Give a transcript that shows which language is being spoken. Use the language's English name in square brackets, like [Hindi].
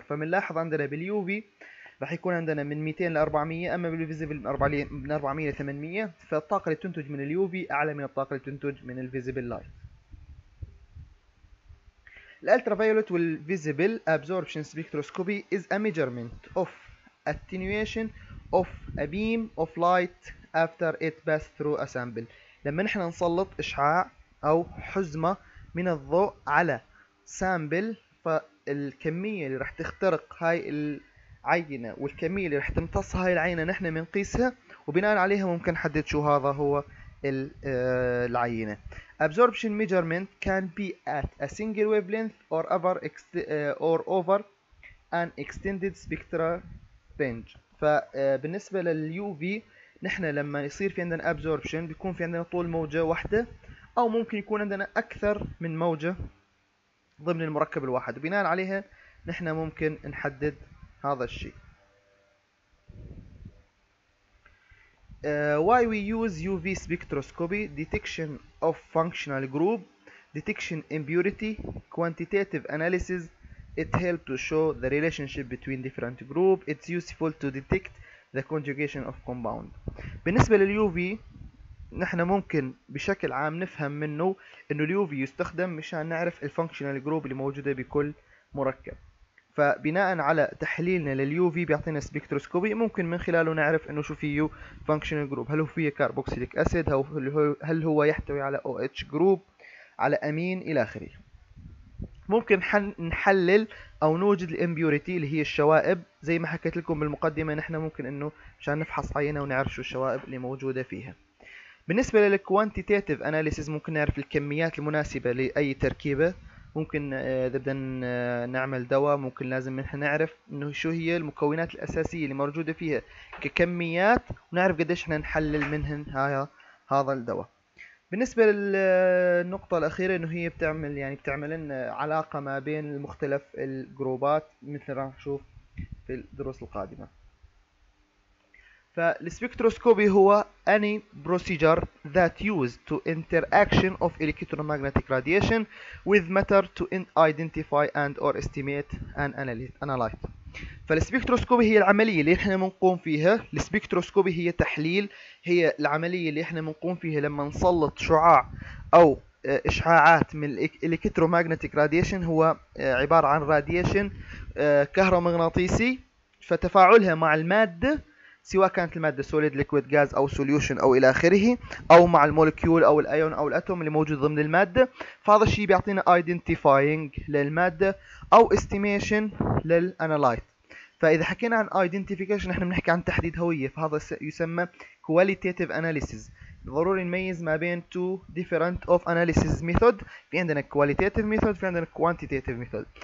[Arabic] فبنلاحظ عندنا باليو في راح يكون عندنا من 200 ل 400، اما بالفيزيبل من 400 ل 800. فالطاقه اللي تنتج من اليو في اعلى من الطاقه اللي تنتج من الفيزيبل لايت. [English] الالترا فيولت والفيزيبل absorption spectroscopy is a measurement of attenuation of a beam of light after it passed through a sample. [Arabic] لما نحن نسلط إشعاع أو حزمة من الضوء على سامبل، فالكمية اللي راح تخترق هاي العينة والكمية اللي راح تمتص هاي العينة نحن منقيسها، وبناء عليها ممكن نحدد شو هذا هو العينة. [English] Absorption measurement can be at a single wavelength or over or over an extended spectral range. [Arabic] فبالنسبة لل UV نحن لما يصير في عندنا absorption بيكون في عندنا طول موجة واحدة، أو ممكن يكون عندنا أكثر من موجة ضمن المركب الواحد، وبناء عليها نحن ممكن نحدد هذا الشيء. [English] Why we use UV spectroscopy: detection of functional group, detection impurity, quantitative analysis. It helps to show the relationship between different group. It's useful to detect the conjugation of compound. [Arabic] بالنسبة لل UV نحن ممكن بشكل عام نفهم منه انه ال UV يستخدم مشان نعرف ال functional group اللي موجودة بكل مركب. فبناء على تحليلنا لل UV بيعطينا سبكتروسكوبي ممكن من خلاله نعرف انه شو فيه functional group، هل هو فيه كاربوكسيليك اسيد، هل هو يحتوي على OH group، على امين، الى اخره. ممكن نحلل او نوجد الامبيوريتي اللي هي الشوائب، زي ما حكيت لكم بالمقدمة نحن ممكن انه مشان نفحص عينة ونعرف شو الشوائب اللي موجودة فيها. بالنسبة للكوانتيتيف اناليسيز ممكن نعرف الكميات المناسبة لاي تركيبة، ممكن اذا بدنا نعمل دواء ممكن لازم نحن نعرف انه شو هي المكونات الاساسيه اللي موجوده فيها ككميات، ونعرف قديش احنا نحلل منهن هذا الدواء. بالنسبه للنقطه الاخيره انه هي بتعمل يعني بتعمل لنا علاقه ما بين المختلف الجروبات مثل ما نشوف في الدروس القادمه. فالسبكتروسكوبي هو [English] any procedure that used to interaction of electromagnetic radiation with matter to identify and or estimate an analyte. [Arabic] فالسبكتروسكوبي هي العملية اللي احنا بنقوم فيها، السبكتروسكوبي هي تحليل، هي العملية اللي احنا بنقوم فيها لما نسلط شعاع او اشعاعات من electromagnetic radiation، هو عبارة عن radiation كهرومغناطيسي، فتفاعلها مع المادة سواء كانت المادة solid, liquid, gas أو solution أو إلى آخره، أو مع المولكيول أو الأيون أو الأتوم اللي موجود ضمن المادة، فهذا الشيء بيعطينا identifying للمادة أو estimation للأنالايت. فإذا حكينا عن identification نحن بنحكي عن تحديد هوية، فهذا يسمى qualitative analysis. ضروري نميز ما بين [English] two different of analysis method، [Arabic] في عندنا qualitative method في عندنا quantitative method.